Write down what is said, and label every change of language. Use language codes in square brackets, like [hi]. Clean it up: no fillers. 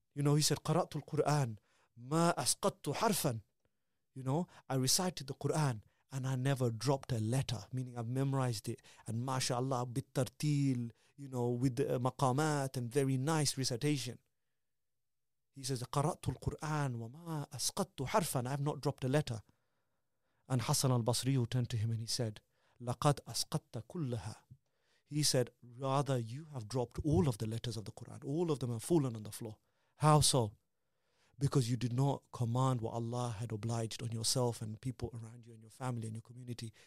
[en] You know, he said, [ar] قرأت القرآن ما أسقطت حرفا. [en] You know, I recited the Quran and I never dropped a letter, meaning I've memorized it. And mashallah, بالترتيل, you know, with the maqamat and very nice recitation. He says, [ar] قرأت القرآن وما أسقطت حرفا. [en] I have not dropped a letter. And Hassan al-Basri turned to him and he said, [ar] لقد أسقطت كلها. [en] He said, rather, you have dropped all of the letters of the Quran. All of them have fallen on the floor. How so? Because you did not command what Allah had obliged on yourself and people around you and your family and your community.